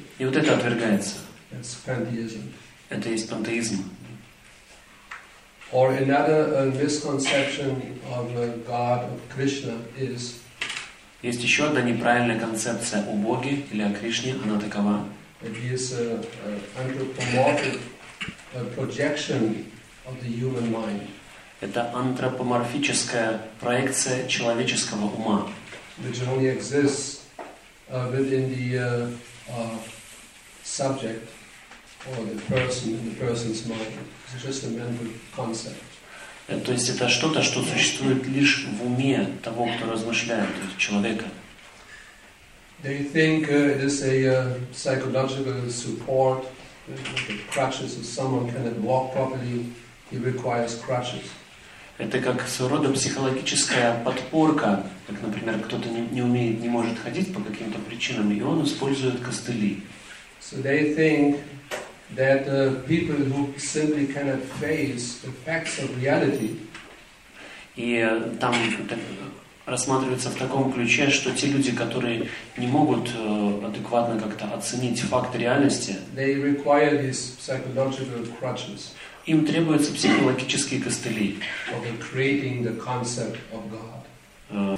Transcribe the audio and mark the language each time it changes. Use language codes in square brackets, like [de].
[ru] И вот это отвергается. [en] That's pantheism. [ru] Это есть пантеизм. [en] Or another misconception of God of Krishna is. [ru] Есть еще одна неправильная концепция о Боге или о Кришне, она такова. [en] That he is an anthropomorphic projection of the human mind. [ru] Это антропоморфическая проекция человеческого ума. [en] Which only exists within the subject or the person in the person's mind. It's just a mental concept. [ru] То есть это что-то, что существует лишь в уме того, кто размышляет, то есть человека. [en] They think it is a psychological support, like a crutches, if someone cannot walk properly, he requires crutches. [ru] Это как своего рода психологическая подпорка, как, например, кто-то не умеет, не может ходить по каким-то причинам, и он использует костыли. [en] So they think that people who simply cannot face the facts of reality. [ru] И там рассматривается в таком ключе, что те люди, которые не могут адекватно как-то оценить факт реальности, [en] they require these psychological crutches. [ru] Им требуются психологические костыли. [en] Of creating the concept of God.